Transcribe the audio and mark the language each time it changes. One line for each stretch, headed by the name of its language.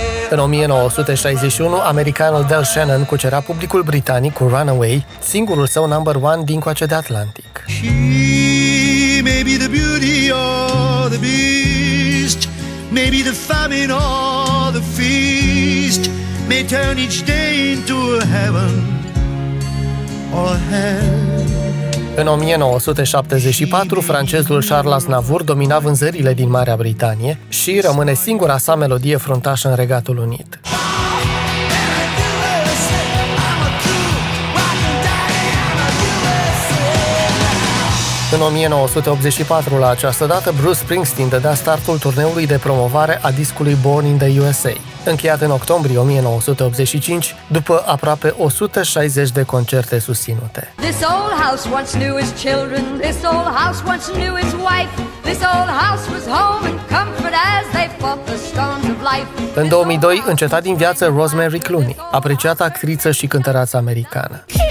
Romanian: În 1961, americanul Del Shannon cucerea publicul britanic cu Runaway, singurul său number one dincoace de Atlantic.
English: She may be the beauty or the beast, maybe the famine or the feast, may turn each day into a heaven or a hell.
Romanian: În 1974, francezul Charles Aznavour domina vânzările din Marea Britanie și rămâne singura sa melodie fruntașă în Regatul Unit. În 1984, la această dată, Bruce Springsteen dădea startul turneului de promovare a discului Born in the USA. Încheiat în octombrie 1985, după aproape 160 de concerte susținute.
English: This old house once knew its children, this old house once knew its wife, this old house was home and comfort as they fought the storms of life.
Romanian: În 2002, înceta din viață Rosemary Clooney, apreciată actriță și cântăreață americană.